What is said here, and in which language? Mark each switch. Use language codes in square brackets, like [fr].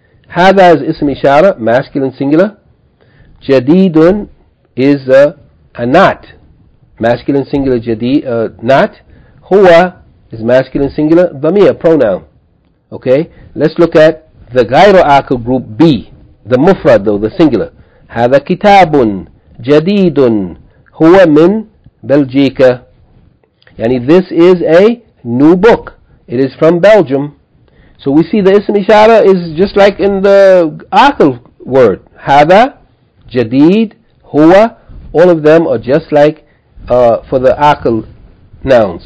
[en] هذا is اسم إشارة masculine singular. جديد is a not masculine singular جديد not. هو is masculine singular ضمير pronoun. Okay. Let's look at the غيرو عاقل group B, the مفرد though, the singular. [ar] هذا كتاب جديد هو من بلجيكا. [en] يعني this is a new book. It is from Belgium. So we see the اسم إشارة is just like in the عاقل word. هذا جديد هو, all of them are just like for the عاقل nouns.